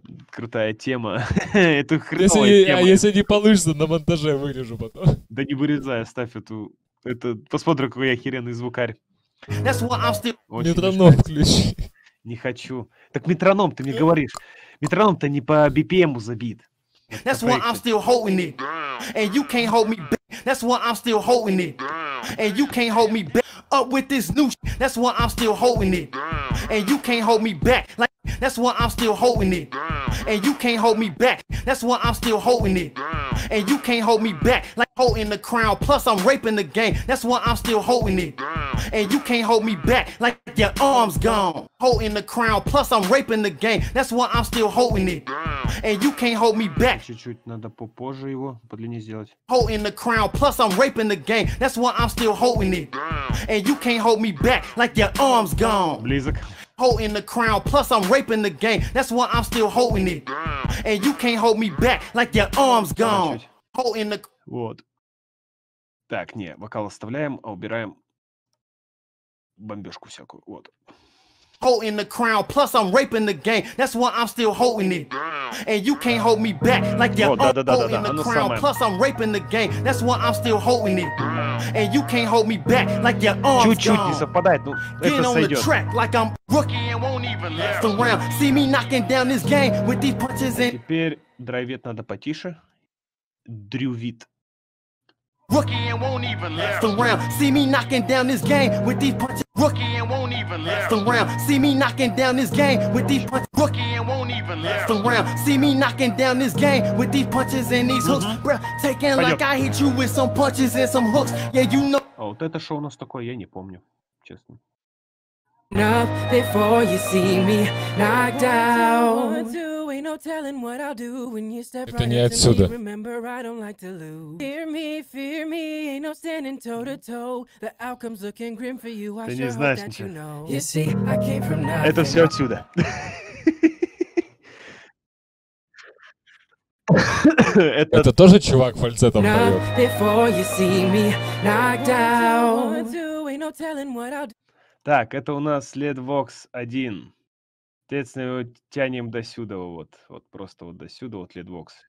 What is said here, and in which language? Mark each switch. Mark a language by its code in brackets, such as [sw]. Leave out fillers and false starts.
[ru] Крутая тема. Это хреновая тема. А если не получится, на монтаже вырежу потом. Да не вырезай, оставь эту... Это... Посмотрю, какой я охеренный звукарь. Still... Метроном включи. Не хочу. Так метроном, ты мне говоришь. Метроном-то не по BPM-у забит. [en] That's why I'm still holding it. And you can't hold me back. That's why I'm still holding it. And you can't hold me back. Up with this new shit. That's why I'm still holding it. And you can't hold me back. Like, that's why I'm still holding it. And you can't hold me back. That's why I'm still holding it. And you can't hold me back. Like, holding the crown. Plus, I'm raping the game. That's why I'm still holding it down. And you can't hold me back like your arm's gone. Holding the crown. Plus, I'm raping the game. That's why I'm still holding it down. And you can't hold me back. [ru] Чуть-чуть надо попозже его подлиннее сделать. [en] Holding the crown. Plus, I'm raping the game. That's why I'm still holding it down. And you can't hold me back like your arm's gone. [ru] Близок. [en] Holding the crown, plus I'm raping the game. That's why I'm still holding it. And you can't hold me back like your arm's gone. Holding the. [ru] Вот. Так, не, вокал оставляем, а убираем бомбежку всякую. Вот. [en] Holding the crown, plus I'm raping the game. That's why I'm still holding it. And you can't hold me back like your arm's gone. Holding the crown, plus I'm raping the game. That's why I'm still holding it. And you can't hold me back like your arm's gone. [ru] Чуть-чуть не совпадает, но это сойдет. [en] Getting on the track like I'm rookie and won't even last around. See me knocking down this game with these punches and. [ru] Теперь драйвит надо потише. Дрювит. [en] Rookie and won't even last around. See me knocking down this game with these punches. Rookie and won't even last around. See me knocking down this game with these punches. Rookie and won't even last around. See me knocking down this game with these punches and these hooks. Бра, taking like I hit you with some punches and some hooks. Yeah, you know. [ru] А вот это что у нас такое, я не помню, честно. [en] Before you see me knocked out. No telling what I'll do when you step [ru] это [en] right into me. Remember, I don't like to lose. Fear me, ain't no standing toe to toe. The outcome's looking grim for you. I sure hope that you know. You see, I came from nothing. [ru] Это все отсюда. Это тоже чувак фальцетом поет. [en] Before you see me knocked out. Ain't no telling what I'll do. [ru] Так, это у нас Led Vox 1. Соответственно, его тянем до сюда, вот. Вот просто вот до сюда, вот Led Vox.